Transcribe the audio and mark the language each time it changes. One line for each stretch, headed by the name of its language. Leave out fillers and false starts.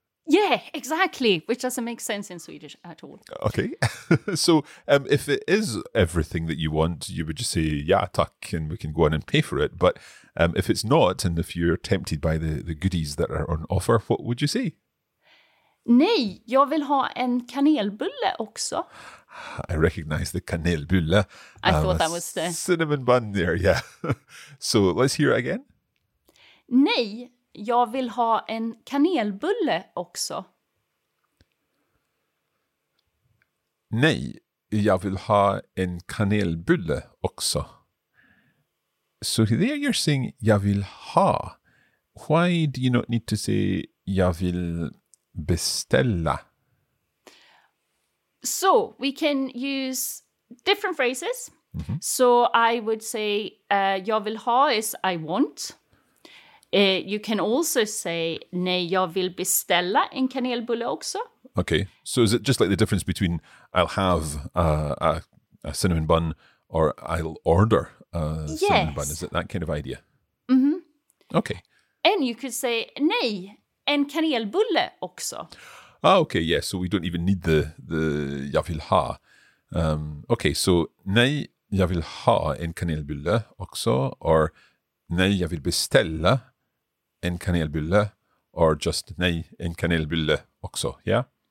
English: Yeah, exactly. Which doesn't make sense in Swedish at all. Okay. So if it is everything that you want, you would just say,
Swedish: ja, tack,
English: and we can go on and pay for it. But if it's not, and if you're tempted by the goodies that are on offer, what would you say?
Swedish: Nej, jag vill ha en kanelbulle också.
English: I recognize the kanelbulle. I thought that was the cinnamon bun there, yeah. So let's hear it again.
Swedish: Nej. Jag vill ha en kanelbulle också. Nej, jag vill ha en kanelbulle också.
English: So there you're saying,
Swedish: jag vill ha.
English: Why do you not need to say,
Swedish: jag vill beställa?
English: So we can use different phrases. Mm-hmm. So I would say,
Swedish: jag vill ha
English: is I want. You can also say,
Swedish: nej, jag vill beställa en kanelbulle också.
English: Okay, so is it just like the difference between I'll have a cinnamon bun or I'll order a yes. cinnamon bun? Is it that kind of idea? Mm-hmm. Okay. And you could say,
Swedish: nej, en kanelbulle också.
English: Ah, okay, yeah, so we don't even need the
Swedish: jag vill ha.
English: Okay, so
Swedish: nej, jag vill ha en kanelbulle också,
English: or
Swedish: nej, jag vill beställa en kanelbulle,
English: or just
Swedish: nej, en kanelbulle också,
English: yeah?